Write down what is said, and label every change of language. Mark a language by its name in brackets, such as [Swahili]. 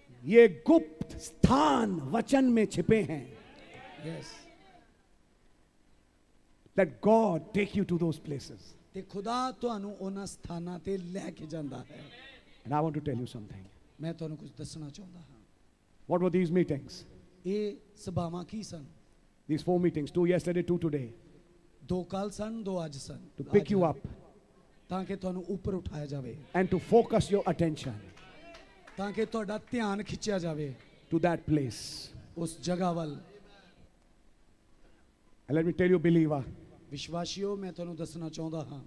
[Hindi] ये गुप्त स्थान वचन में छिपे हैं [English] yes let God take you to those places [Punjabi] ते खुदा तुहानू उना स्थाना ते लेके जांदा है [English] and I want to tell you something [Punjabi] मैं तुहानू कुछ दसना चाहुंदा हां [English] what were these meetings [Punjabi] ए सभावा की सन [English] these four meetings two yesterday two today [Punjabi] दो काल सन दो आज सन [English] to pick you up [Punjabi] ताकि तुहानू ऊपर उठाया जावे [English] and to focus your attention [Punjabi] ताकि तुहाडा ध्यान खिंचया जावे [English] to that place [Punjabi] उस जगह वल [English] let me tell you believer [Punjabi] विश्वासियो मैं तुहानू दसना चाहुंदा हां